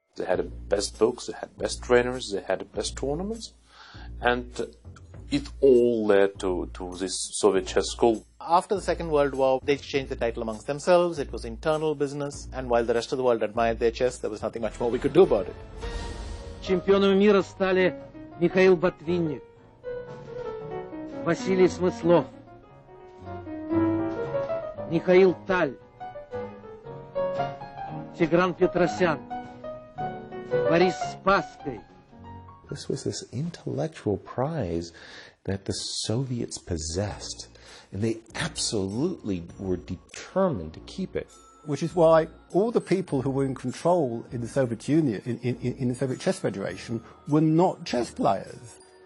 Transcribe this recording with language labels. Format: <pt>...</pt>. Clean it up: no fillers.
<en>They had the best books, they had the best trainers, they had the best tournaments, and it all led to this Soviet chess school. After the Second World War, they changed the title amongst themselves. It was internal business. And while the rest of the world admired their chess, there was nothing much more we could do about it.</en> <ru>Чемпионами мира стали Михаил Ботвинник, Василий Смыслов, Михаил Таль, Тигран Петросян, Борис Спасский.</ru> <en>This was this intellectual prize that the Soviets possessed, and they absolutely were determined to keep it. Which is why all the people who were in control in the Soviet Union, in the Soviet Chess Federation, were not chess players.</en>